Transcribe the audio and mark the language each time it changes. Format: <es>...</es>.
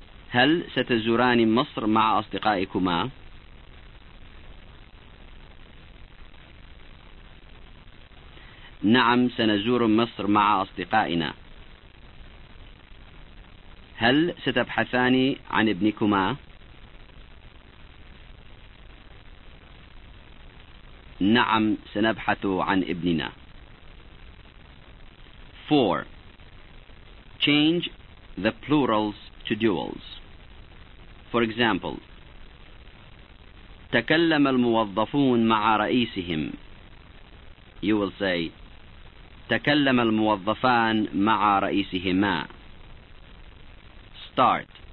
<ar>هل ستزوران مصر مع أصدقائكما؟ نعم سنزور مصر مع أصدقائنا. هل ستبحثان عن ابنكما؟ نعم سنبحث عن ابننا.</ar> <en>4. Change the plurals to duals. For example,</en> <ar>تكلم الموظفون مع رئيسهم.</ar> <en>You will say,</en> <ar>تكلم الموظفان مع رئيسهما.</ar> <en>Start.</en>